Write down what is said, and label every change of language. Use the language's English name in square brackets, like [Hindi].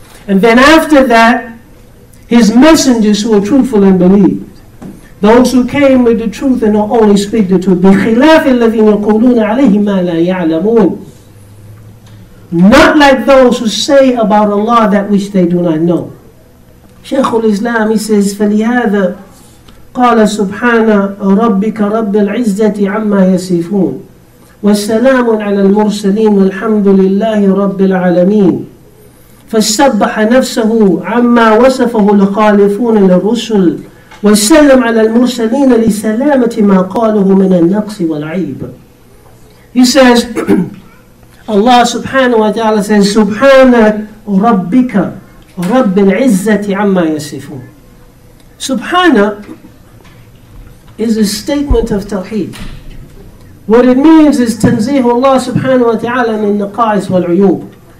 [English] And then after that, his messengers who are truthful and believe. Those who came with the truth and only speak the truth. [Arabic] بِخِلَافِ الَّذِينَ يَقُولُونَ عَلَيْهِ مَا لَا يَعْلَمُونَ. [English] Not like those who say about Allah that which they do not know. Shaykh al-Islam, he says, [Arabic] فَلِهَذَا قَالَ سُبْحَانَ رَبِّكَ رَبِّ الْعِزَّةِ عَمَّا يَسِفُونَ وَالسَّلَامُ عَلَى الْمُرْسَلِينَ وَالْحَمْدُ لِلَّهِ رَبِّ الْعَالَمِينَ فَسَّبَّحَ نَفْسَهُ عَمَّا وَصَفَهُ الْخَالِفُونَ لِلرُّسُلِ وَسَلَّمْ عَلَى الْمُرْسَلِينَ لِسَلَامَةِ مَا قَالُهُ مِنَ النَّقْصِ وَالْعَيْبِ. [English] He says, Allah subhanahu wa ta'ala says, [Arabic] Subhana Rabbika, Rabbil Izzati Amma Yasifun. [English] Subhana is a statement of Tawheed. What it means is [Arabic] Tanzihu Allah subhanahu wa ta'ala min naqais wal uyub.